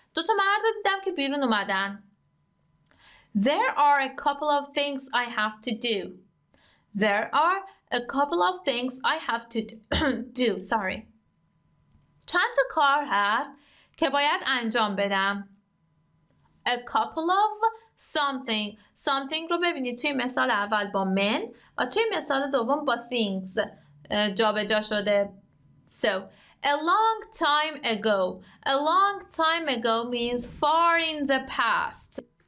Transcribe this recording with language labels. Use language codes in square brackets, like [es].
[fa] دو تا مرد دیدم که بیرون اومدن. [en] There are a couple of things I have to do. There are a couple of things I have to do. Sorry. [fa] چند تا کار هست که باید انجام بدم. [en] A couple of something. [fa] Something رو ببینید توی مثال اول با men و توی مثال دوم با things جابجا شده. [en] So, a long time ago. A long time ago means far in the past.